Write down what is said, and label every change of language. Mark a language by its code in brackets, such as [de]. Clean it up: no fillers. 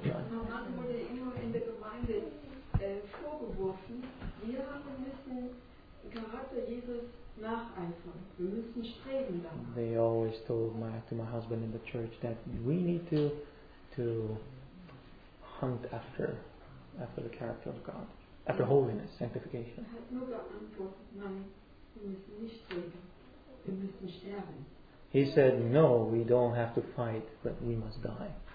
[de] Normalerweise wurde immer in der Gemeinde vorgeworfen, wir müssen den Charakter Jesus nacheifern. Wir müssen streben danach. [en] They always told my husband in the church that we need to hunt after the character of God, after holiness, sanctification. [de] Er hat nur geantwortet, nein, wir müssen nicht streben, wir müssen sterben. [en] He said, no, we don't have to fight, but we must die.